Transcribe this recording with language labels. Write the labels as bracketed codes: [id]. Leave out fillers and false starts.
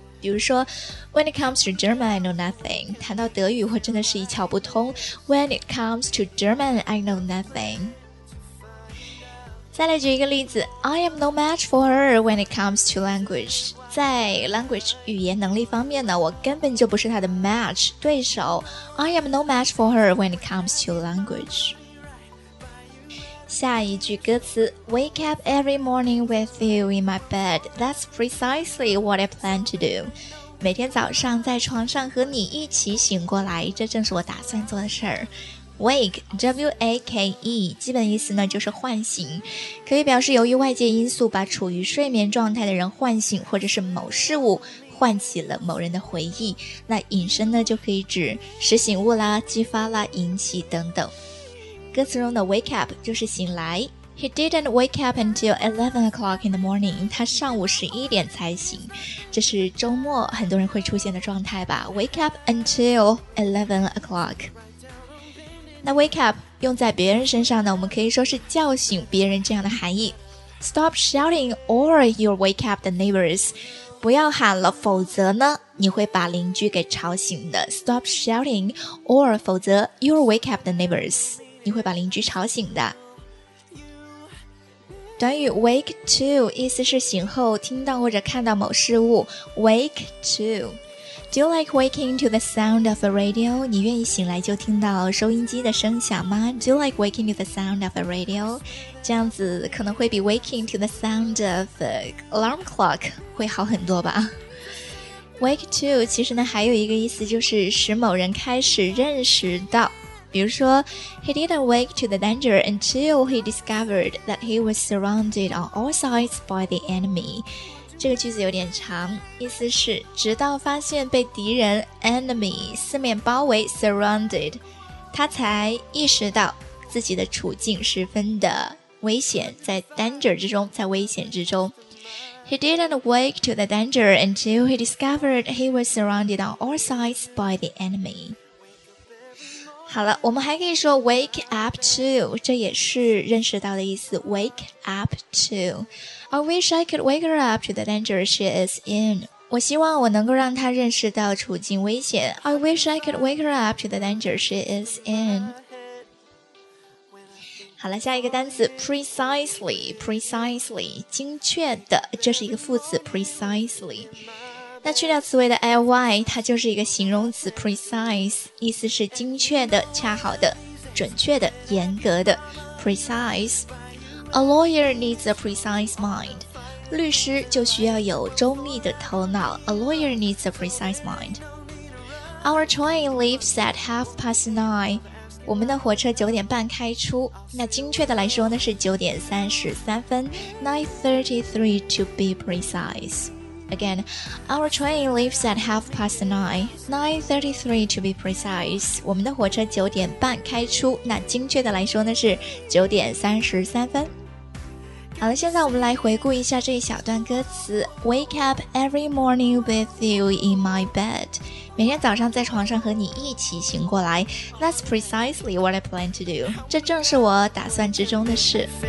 [zh] 比如说 [en] When it comes to German, I know nothing. [zh] 谈到德语我真的是一窍不通。 [en] When it comes to German, I know nothing. [zh] 再来举一个例子， [en] I am no match for her when it comes to language. [zh] 在 language 语言能力方面呢，我根本就不是她的 match 对手。 [en] I am no match for her when it comes to language. [zh] 下一句歌词 [en] Wake up every morning with you in my bed. That's precisely what I plan to do. [zh] 每天早上在床上和你一起醒过来，这正是我打算做的事儿。 Wake, W-A-K-E, 基本意思呢就是唤醒，可以表示由于外界因素把处于睡眠状态的人唤醒，或者是某事物唤起了某人的回忆。那引申呢就可以指使醒物啦，激发啦，引起等等。歌词中的 wake up 就是醒来。 [en] He didn't wake up until 11 o'clock in the morning. [zh] 他上午11点才醒，这是周末很多人会出现的状态吧。 [en] Wake up until 11 o'clock. [zh] 那 wake up 用在别人身上呢，我们可以说是叫醒别人这样的含义。 [en] Stop shouting or you'll wake up the neighbors. [zh] 不要喊了，否则呢你会把邻居给吵醒的。 [en] Stop shouting or [zh] 否则 [en] you'll wake up the neighbors. [zh] 你会把邻居吵醒的。短语 wake to 意思是醒后听到或者看到某事物。 [en] wake to. Do you like waking to the sound of a radio? [zh] 你愿意醒来就听到收音机的声响吗？ [en] Do you like waking to the sound of a radio? [zh] 这样子可能会比 [en] waking to the sound of alarm clock [zh] 会好很多吧。 Wake to 其实呢还有一个意思，就是使某人开始认识到。比如说 [en] He didn't wake to the danger until he discovered that he was surrounded on all sides by the enemy. [zh] 这个句子有点长，意思是直到发现被敌人 enemy 四面包围 surrounded， 他才意识到自己的处境十分的危险，在 danger 之中，在危险之中。 [en] He didn't wake to the danger until he discovered he was surrounded on all sides by the enemy. [zh] 好了，我们还可以说 wake up to， 这也是认识到的意思。 [en] wake up to， I wish I could wake her up to the danger she is in， [zh] 我希望我能够让她认识到处境危险。 [en] I wish I could wake her up to the danger she is in。 [zh] 好了，下一个单词 precisely， 精确的，这是一个副词 precisely。那去掉词尾的 ly， 它就是一个形容词 precise， 意思是精确的、恰好的、准确的、严格的 precise。 [en] A lawyer needs a precise mind， [zh] 律师就需要有周密的头脑。 [en] A lawyer needs a precise mind。 Our train leaves at 9:30， [zh] 我们的火车9:30开出，那精确的来说呢是9:33， [en] 9:33 to be preciseAgain, our train leaves at 9:33 to be precise. [zh] 我们的火车9:30开出，那精确的来说呢是9:33。好了，现在我们来回顾一下这一小段歌词。 [en] Wake up every morning with you in my bed. [zh] 每天早上在床上和你一起醒过来。 [en] That's precisely what I plan to do. [zh] 这正是我打算之中的事。